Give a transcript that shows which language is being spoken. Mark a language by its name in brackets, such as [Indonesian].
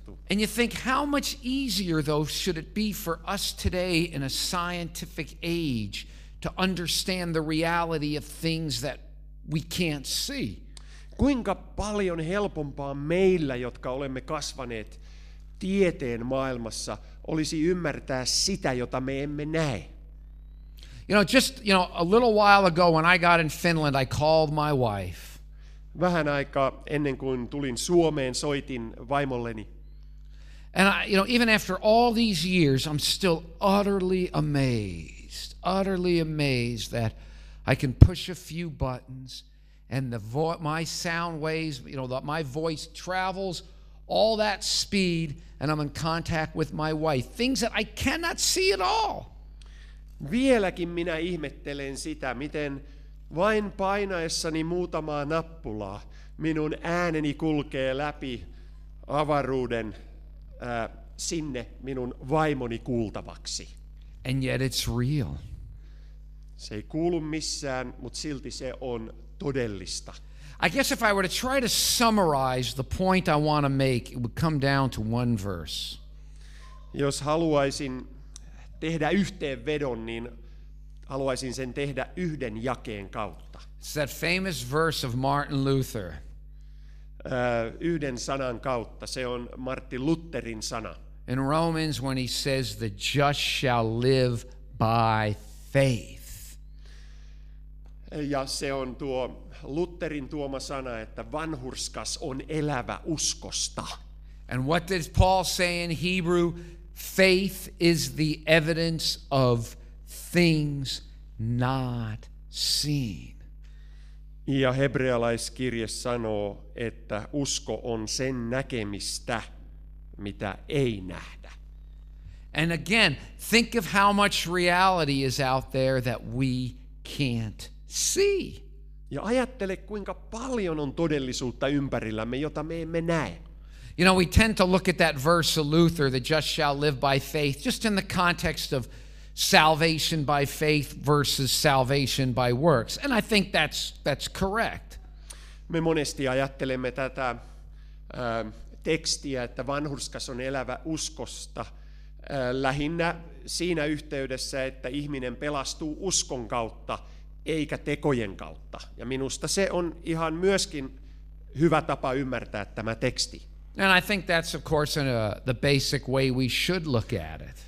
[English] And you think, how much easier though should it be for us today in a scientific age to understand the reality of things that we can't see? [Finnish] Kuinka paljon helpompaa meillä, jotka olemme kasvaneet tieteen maailmassa, olisi ymmärtää sitä, jota me emme näe? [English] You know, just, you know, a little while ago when I got in Finland, I called my wife. [Finnish] Vähän aikaa ennen kuin tulin Suomeen, soitin vaimolleni. [English] And I, you know, even after all these years, I'm still utterly amazed that I can push a few buttons and my sound waves, you know, that my voice travels all that speed and I'm in contact with my wife. Things that I cannot see at all. [Finnish] Vieläkin minä ihmettelen sitä, miten vain painaessani muutamaa nappulaa minun ääneni kulkee läpi avaruuden sinne minun vaimoni kuultavaksi. [English] And yet it's real. [Finnish] Se ei kuulu missään, mutta silti se on todellista. [English] I guess if I were to try to summarize the point I want to make, it would come down to one verse. [Finnish] Jos haluaisin tehdä yhteenvedon, niin haluaisin sen tehdä yhden jakeen kautta. [English] It's that famous verse of Martin Luther. [Finnish] Yhden sanan kautta, se on Martin Lutherin sana. [English] In Romans when he says the just shall live by faith. [Finnish] Ja se on tuo Lutherin tuoma sana, että vanhurskas on elävä uskosta. [English] And what does Paul say in Hebrew? Faith is the evidence of things not seen. [Finnish] Ja hebrealaiskirje sanoo, että usko on sen näkemistä, mitä ei nähdä. [English] And again, think of how much reality is out there that we can't see. [Finnish] Ja ajattele, kuinka paljon on todellisuutta ympärillämme, jota me emme näe. [English] You know, we tend to look at that verse of Luther, the just shall live by faith, just in the context of salvation by faith versus salvation by works. And I think that's correct. [Finnish] Me monesti ajattelemme tätä tekstiä, että vanhurskas on elävä uskosta, lähinnä siinä yhteydessä, että ihminen pelastuu uskon kautta eikä tekojen kautta. Ja minusta se on ihan myöskin hyvä tapa ymmärtää tämä teksti. [English] And I think that's of course in the basic way we should look at it.